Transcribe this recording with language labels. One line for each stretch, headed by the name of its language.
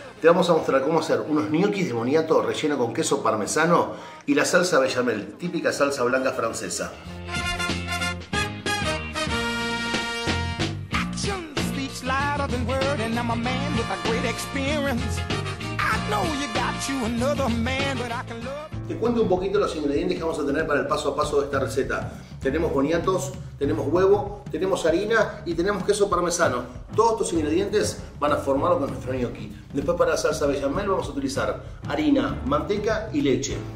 Spanish: Te vamos a mostrar cómo hacer unos ñoquis de boniato relleno con queso parmesano y la salsa bechamel, típica salsa blanca francesa.
English: Action speaks louder than word, and I'm a man with a great experience. I know you got you another man, but I can love.
Spanish: Te cuento un poquito los ingredientes que vamos a tener para el paso a paso de esta receta. Tenemos boniatos, tenemos huevo, tenemos harina y tenemos queso parmesano. Todos estos ingredientes van a formarlo con nuestro gnocchi. Después, para la salsa bechamel vamos a utilizar harina, manteca y leche.